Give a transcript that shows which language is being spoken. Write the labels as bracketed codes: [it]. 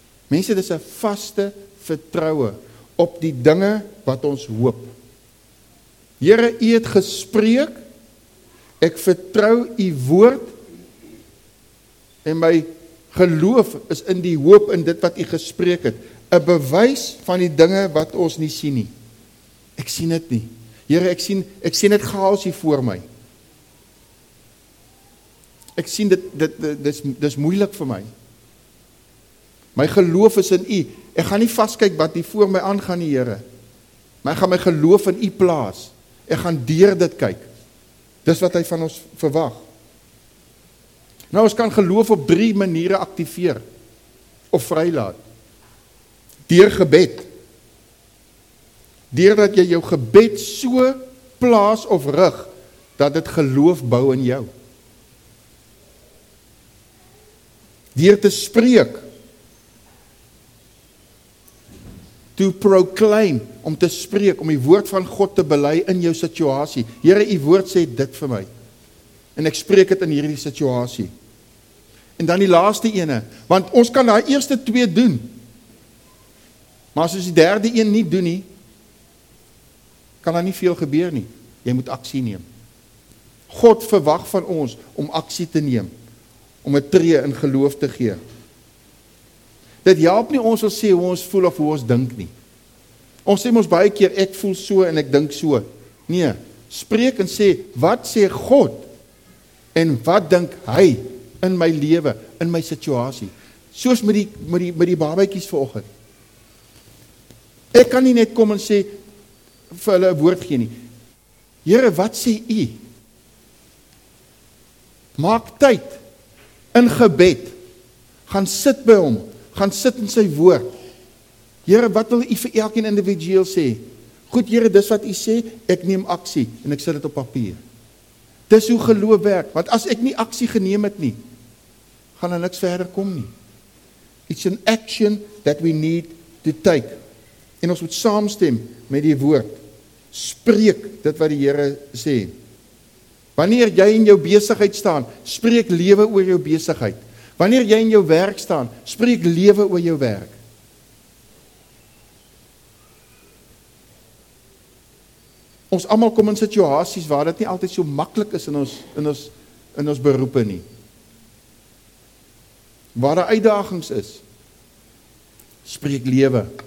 [af] Mense, dit is 'n vaste vertroue op die dinge wat ons hoop. Here, U het gespreek, ek vertrou U woord, en my geloof is in die hoop in dit wat U gespreek het, 'n bewys van die dinge wat ons nie sien nie. Ek sien dit nie. Here, ek sien dit chaos hier voor my. Ek sien dit is moeilik vir my. My geloof is in U. Ek gaan nie vaskyk wat hier voor my aangaan nie, Here. Maar ek gaan my geloof in U plaas. Ek gaan deur dit kyk. Dis wat hy van ons verwag. Nou, ons kan geloof op 3 maniere aktiveer of vrylaat. Deur gebed. Deurdat jy jou gebed so plaas of rig, dat dit geloof bou in jou. Deur te spreek. [en] To proclaim, [af] om te spreek, om die woord van God te bely in jou situasie. Here, U woord sê dit vir my. En ek spreek dit in hierdie situasie. En dan die laaste ene, want ons kan daai eerste 2 doen. Maar as ons die derde een nie doen nie, kan daar nie veel gebeur nie. Jy moet aksie neem. God verwag van ons om aksie te neem, om 'n tree in geloof te gee. Dit help nie ons om sê hoe ons voel of hoe ons dink nie. Ons sê mos baie keer, ek voel so en ek dink so. Nee, spreek en sê, wat sê God? En wat dink hy in my lewe, in my situasie? Soos met die babietjies vanoggend. Ek kan nie net kom en sê, vir hulle 'n woord gee nie. Here, wat sê U? Maak tyd in gebed. Gaan sit by hom. Gaan sit in sy woord. Here, wat wil U vir elkeen individueel sê? Goed, Here, dis wat U sê, ek neem aksie en ek sit dit op papier. Dis hoe geloof werk, want as ek nie aksie geneem het nie, gaan daar niks verder kom nie. [en] It's an action that we need to take. [af] En ons moet saamstem met die woord. Spreek dit wat die Here sê. Wanneer jy in jou besigheid staan, spreek lewe oor jou besigheid. Wanneer jy in jou werk staan, spreek lewe oor jou werk. Ons almal kom in situasies waar dit nie altyd so maklik is in ons beroepe nie. Waar daar uitdagings is, spreek lewe.